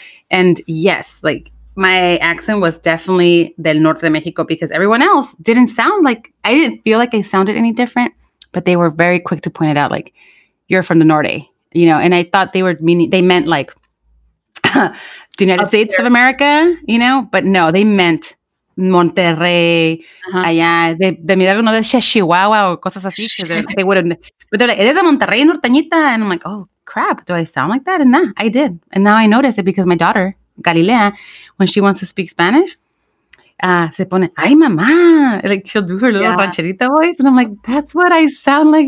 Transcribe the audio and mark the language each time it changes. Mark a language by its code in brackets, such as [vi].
[en] And yes, like, my accent was definitely [es] del norte de Mexico [en] because everyone else didn't sound like, I didn't feel like I sounded any different, but they were very quick to point it out, like, you're from the norte, you know? And I thought they were meaning, they meant like, the United States of America, you know? But no, they meant Monterrey, uh-huh. [es] Allá, de mi lado, no, de Chihuahua o cosas así. [en] They wouldn't, but they're like, [es] eres de Monterrey, norteñita. [en] And I'm like, oh, crap, do I sound like that? And nah, I did. And now I notice it because my daughter, Galilea, when she wants to speak Spanish, [es] se pone, ay, mamá. [en] Like, she'll do her little rancherita voice. And I'm like, that's what I sound like.